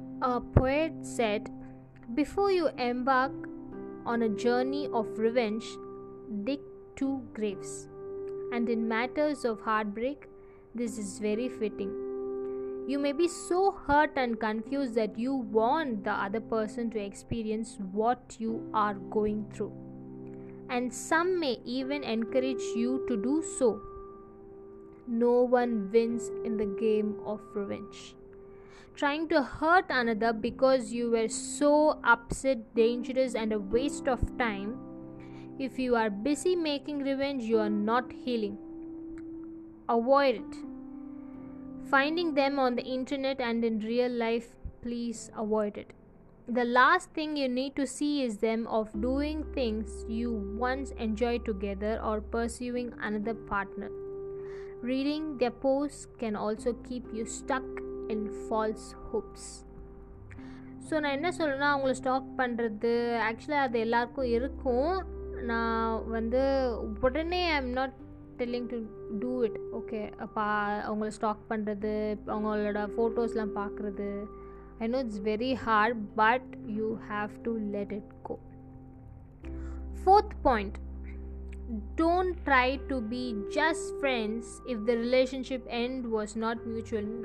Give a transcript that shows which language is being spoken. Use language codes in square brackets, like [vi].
[en] A poet said, before you embark on a journey of revenge, dig two graves. And in matters of heartbreak, this is very fitting. You may be so hurt and confuse that you want the other person to experience what you are going through. And some may even encourage you to do so. No one wins in the game of revenge. Trying to hurt another because you were so upset, dangerous and a waste of time. If you are busy making revenge, you are not healing. Avoid it. Finding them on the internet and in real life, please avoid it. The last thing you need to see is them of doing things you once enjoyed together or pursuing another partner. Reading their posts can also keep you stuck in false hopes. [ta] So நான் என்ன சொல்லணும்னா, அவங்களை stock பண்ணுறது ஆக்சுவலாக அது எல்லாருக்கும் இருக்கும். நான் வந்து உடனே [en] I am not telling to do it. [ta] Okay, அப்போ அவங்கள ஸ்டாக் பண்ணுறது, அவங்களோட ஃபோட்டோஸ்லாம் பார்க்குறது, [en] I know it's very hard, but you have to let it go. Fourth point, don't try to be just friends if the relationship end was not mutual.